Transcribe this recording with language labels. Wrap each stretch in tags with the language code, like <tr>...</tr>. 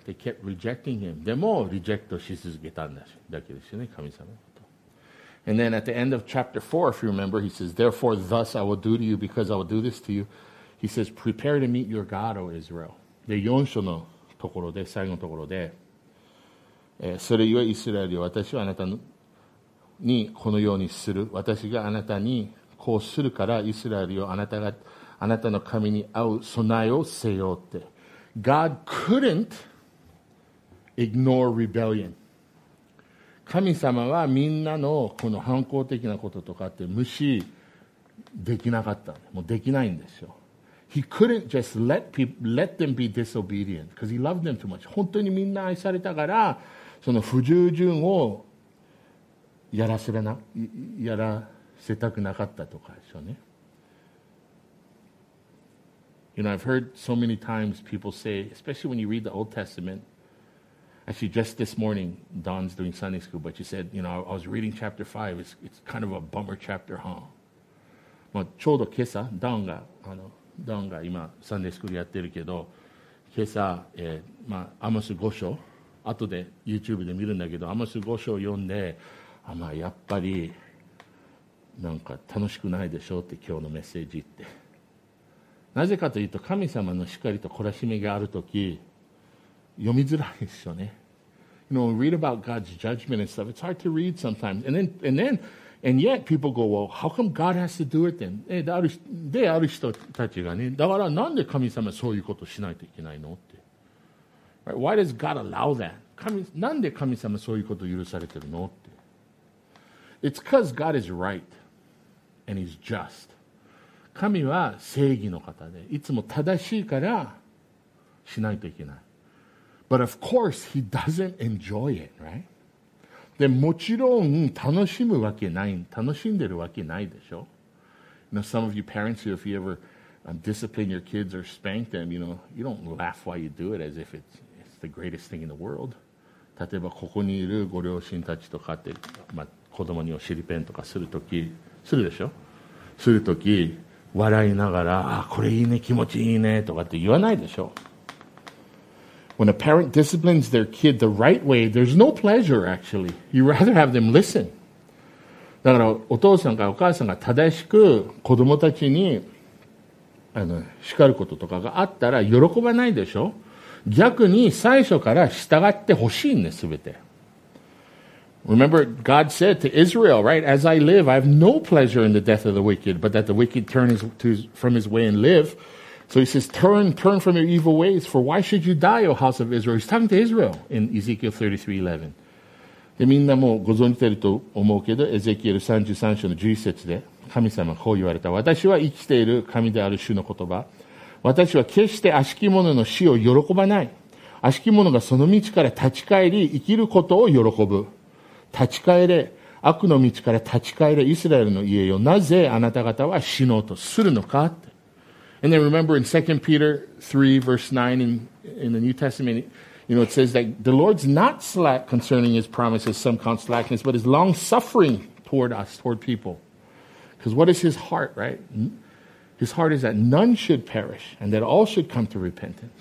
<en>They kept rejecting him.</en> <ja>でもリジェクトし続けたんだし、だけですよね、神様のこと。</ja> <en>And then at the end of chapter 4, if you remember, he says, therefore thus I will do to you, because I will do this to you, he says, prepare to meet your God, O Israel.</en> <ja>で4章のところで、最後のところで、それゆえイスラエルよ、私はあなたのにこのようにする、私があなたにこうするから、イスラエルよ、あなたがあなたの神に会う備えをせよって。</ja> <en>God couldn't ignore rebellion.</en> <ja>神様はみんなのこの反抗的なこととかって無視できなかった。もうできないんですよ。</ja> <en>He couldn't just let them be disobedient because he loved them too much.</en> <ja>本当にみんな愛されたから、その不従順をやらせたくなかったとかでしょうね。</ja> <en>You know, I've heard so many times people say, especially when you read the Old Testament, actually just this morning, Dawn's doing Sunday school, but she said, you know, I was reading chapter 5, it's kind of a bummer chapter, huh?</en> <ja>まあちょうど今朝、Dawn が今 Sunday school やってるけど、今朝、まあアモス5章、後で YouTube で見るんだけど、アモス5章読んで、あ、まあやっぱりなんか楽しくないでしょうって今日のメッセージって。なぜかというと、神様の叱りと懲らしめがあるとき読みづらいですよね。</ja> <en>You know, when we read about God's judgment and stuff, it's hard to read sometimes. And yet people go, well, how come God has to do it then?</en> <ja>で、ある人たちがね、だからなんで神様はそういうことをしないといけないのって。</ja> <en>Right? Why does God allow that?</en> <ja>なんで神様はそういうことを許されてるのって。</ja> <en>It's because God is right and he's just.</en> <ja>神は正義の方で、いつも正しいからしないといけない。</ja> <en>But of course, he doesn't enjoy it, right?</en> <ja>でもちろん楽しむわけない、楽しんでるわけないでしょ。</ja> <en>You know, some of you parents, if you ever discipline your kids or spank them, you know, you don't laugh while you do it as if it's the greatest thing in the world.</en> <ja>例えばここにいるご両親たちとかって、まあ、子供にお尻ペンとかするとき、するでしょ。するとき、笑いながら、あ、これいいね、気持ちいいねとかって言わないでしょ。</ja> <en>When a parent disciplines their kid the right way, there's no pleasure, actually. You rather have them listen.</en> <ja>だから、お父さんかお母さんが正しく子供たちに叱ることとかがあったら喜ばないでしょ。逆に最初から従ってほしいんです、すべて。</ja> <en>Remember, God said to Israel, right, as I live, I have no pleasure in the death of the wicked, but that the wicked turn from his way and live. So he says, turn from your evil ways, for why should you die, O house of Israel? He's talking to Israel in Ezekiel 33:11.</en> <ja>で、みんなもご存じてると思うけど、エゼキエル33章の11節で、神様こう言われた。私は生きている神である主の言葉。私は決して悪しき者の死を喜ばない。悪しき者がその道から立ち返り、生きることを喜ぶ。立ち返れ、悪の道から立ち返れ、イスラエルの家よ。なぜあなた方は死のうとするのか?</ja> <en>And then remember in 2 Peter 3 verse 9 in the New Testament, you know, it says that the Lord's not slack concerning his promises, some count slackness, but is long suffering toward us, toward people. Because what is his heart, right? His heart is that none should perish and that all should come to repentance.</en>